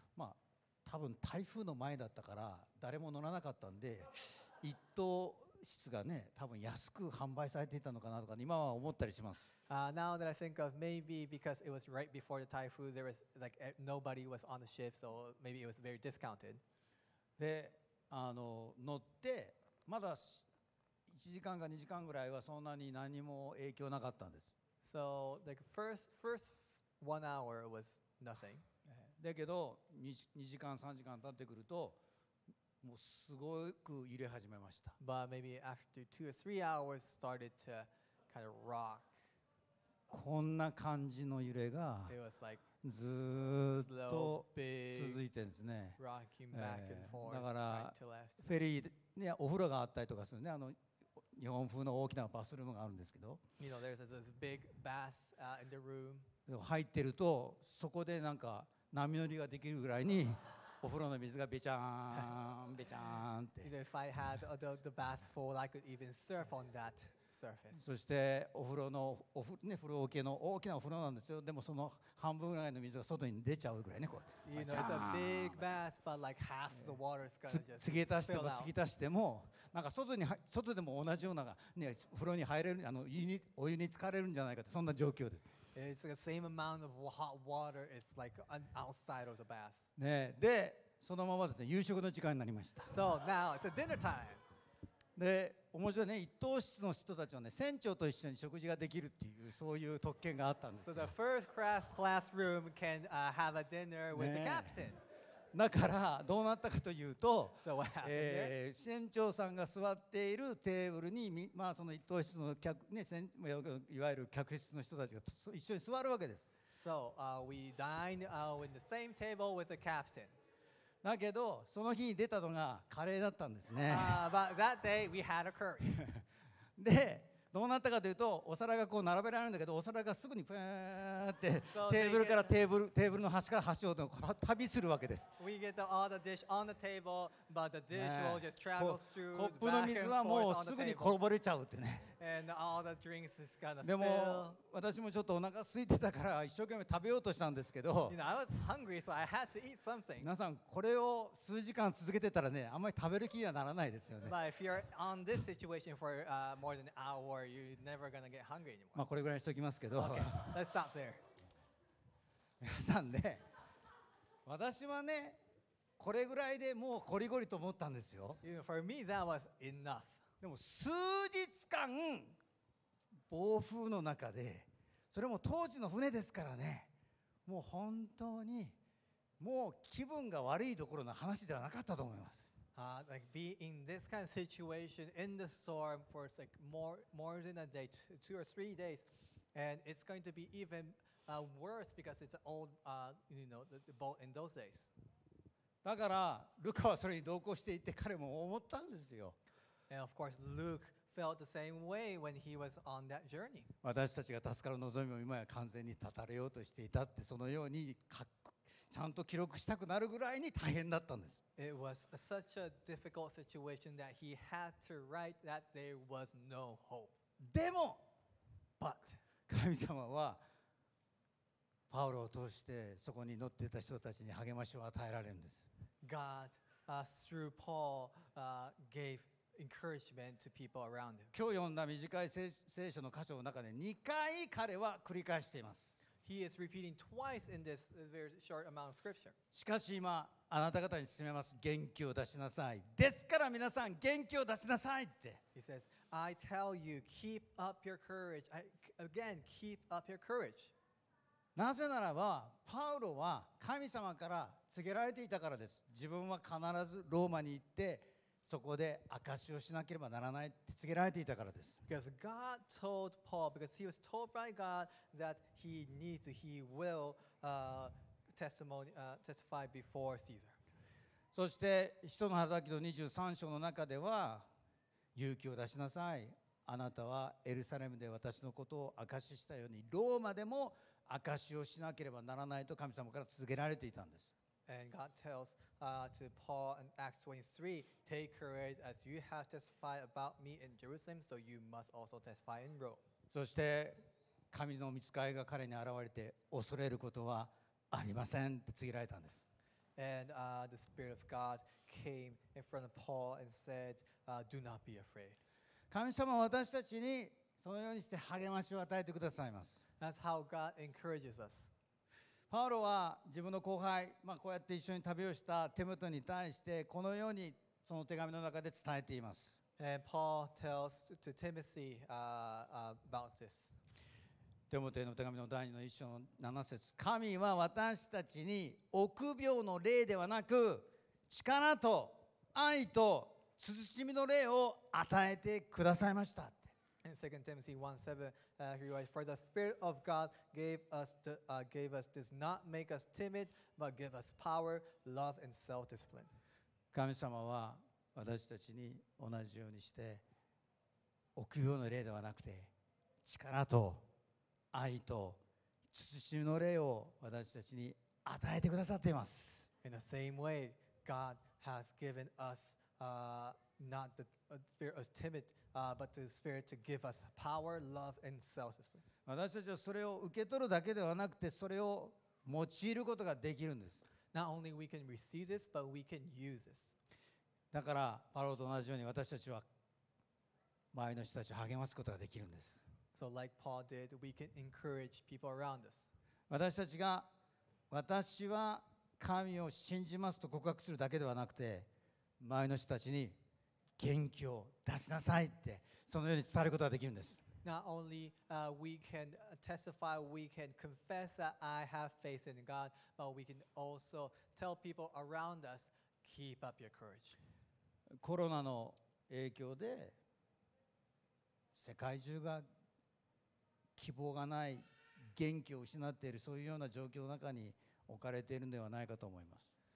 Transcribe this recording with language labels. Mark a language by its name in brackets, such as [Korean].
[Japanese] まあ多分台風の前だったから誰も乗らなかったんで一等質がね、多分安く販売されていたのかなとか、ね、今は思ったりします。 [English] Now that I think of, maybe because it was right before the typhoon, there was like nobody was on the ship, so maybe it was very discounted. [Japanese] で、あの乗ってまだ1時間か2時間ぐらいはそんなに何も影響なかったんです。 [English] So like first one hour was nothing. [Japanese] だけど 2時間3時間経ってくると。もうすごく揺れ始めました。 [English] But maybe after two or three hours started to kind of rock. [Japanese] こんな感じの揺れがずっと続いてるんですね。 [English] Rocking back and forth. [Japanese] だからフェリーにお風呂があったりとかするね。あの日本風の大きなバスルームがあるんですけど。 [English] You know, there's this big bath in the room. [Japanese] 入ってるとそこでなんか波乗りができるぐらいに。お風呂の水がビチャーンビチャーンって。 [English] If I had the bath full, I could even surf on that surface. [Japanese] そしてお風呂のお風ね風呂桶の大きなお風呂なんですよ。でもその半分ぐらいの水が外に出ちゃうぐらいね。こう。 [English] You know, it's a big bath, but like half the water is gonna just spill out. [Japanese] 継ぎ足しても継ぎ足してもなんか外でも同じようなね風呂に入れるあのお湯に浸かれるんじゃないかってそんな状況です。 [English] It's like the same amount of hot water is like an outside of the bath. [Japanese] ね、で、そのままですね、夕食の時間になりました。 [English] So now it's a dinner time. [Japanese] で、面白いね、一等室の人たちはね、船長と一緒に食事ができるっていうそういう特権があったんですよ。 [English] So the first class room can have a dinner with the captain. [Japanese] だからどうなったかというと、 [English] So what happened? [Japanese] 船長さんが座っているテーブルに、まあその一等室の客ね、いわゆる客室の人たちが一緒に座るわけです。 [English] So we dined in the same table with the captain. [Japanese] だけどその日に出たのがカレーだったんですね。 [English] But that day we had a curry. [Japanese] で。どうなったかというとお皿がこう並べられるんだけどお皿がすぐにぷーってテーブルからテーブルの端から端を旅するわけです。 [English] We get all the dish on the table, but the dish will just travel through. [Japanese] コップの水はもうすぐにこぼれちゃうってね。 [English] And all the drinks is gonna spill. [Japanese] でも私もちょっとお腹空いてたから一生懸命食べようとしたんですけど。 [English] You know, I was hungry, so I had to eat something. [Japanese] 皆さんこれを数時間続けてたらね、あんまり食べる気にはならないですよね。 [English] But if you're on this situation for more than an hour, you're never gonna get hungry anymore. [Japanese] まあこれぐらいにしておきますけど。 [English] Okay, let's stop there. [Japanese] 皆さんね、私はね、これぐらいでもうコリゴリと思ったんですよ。 [English] You know, for me, that was enough. [Japanese] でも数日間暴風の中で、それも当時の船ですからね、もう本当にもう気分が悪いどころの話ではなかったと思います。 [English] Like being in this kind of situation in the storm for like more than a day, two or three days, and it's going to be even worse because it's an old, you know, the boat in those days. [Japanese] だからルカはそれに同行していて彼も思ったんですよ。 [English] And of course, Luke felt the same way when he was on that journey. [Japanese] 私たちが助かる望みも今や完全に絶たれようとしていたって、そのようにかっちゃんと記録したくなるぐらいに大変だったんです。 [English] It was such a difficult situation that he had to write that there was no hope. [Japanese] でも、 [English] But [Japanese] 神様はパウロを通してそこに乗っていた人たちに励ましを与えられるんです。 [English] God, through Paul, gave encouragement to people around him. [Japanese] 今日読んだ短い聖書の箇所の中で2回彼は繰り返しています。 [English] He is repeating twice in this very short amount of scripture. [Japanese] しかし今あなた方に勧めます、元気を出しなさい。ですから皆さん元気を出しなさいって。 [English] He says, I tell you, keep up your courage. Again, keep up your courage. [Japanese] なぜならばパウロは神様から告げられていたからです。自分は必ずローマに行ってそこで証をしなければならないって告げられていたからです。 [English] Because God told Paul, because he was told by God that he needs, he will testify before Caesar. [Japanese] そして使徒の働きの23章の中では勇気を出しなさい。あなたはエルサレムで私のことを証ししたようにローマでも証をしなければならないと神様から告げられていたんです。 [English] And God tells to Paul in Acts 23, "Take courage, as you have testified about me in Jerusalem, so you must also testify in Rome." [Japanese] そして神の御使いが彼に現れて恐れることはありませんって告げられたんです。 [English] And the Spirit of God came in front of Paul and said, "Do not be afraid." [Japanese] 神様は私たちにそのようにして励ましを与えてくださいます。 [English] That's how God encourages us. [Japanese] パウロは自分の後輩、まあ、こうやって一緒に旅をしたテムトに対してこのようにその手紙の中で伝えています。 [English] And Paul tells to Timothy about this. [Japanese] テムトへの手紙の第2の1章の7節、神は私たちに臆病の霊ではなく力と愛と慎みの霊を与えてくださいました。 [English] In 2 Timothy 1:7, he writes, "For the Spirit of God gave us does not make us timid, but give us power, love, and self-discipline." [Japanese] 神様は私たちに同じようにして臆病の霊ではなくて力と愛と慎みの霊を私たちに与えてくださっています。 [English] In the same way, God has given us not the spirit of timid, but the spirit to give us power, love, and self-discipline. [Japanese] 私たちはそれを受け取るだけではなくて、それを用いることができるんです。 [English] Not only we can receive this, but we can use this. [Japanese] だからパウロと同じように私たちは周りの人たちを励ますことができるんです。 [English] So like Paul did, we can encourage people around us. [Japanese] 私たちが私は神を信じますと告白するだけではなくて、周りの人たちに元気を出しなさいってそのように伝えることができるんです。 [English] Not only we can testify, we can confess that I have faith in God, but we can also tell people around us, keep up your courage. [Japanese] コロナの影響で世界中が希望がない、元気を失っている、そういうような状況の中に置かれているのではないかと思います。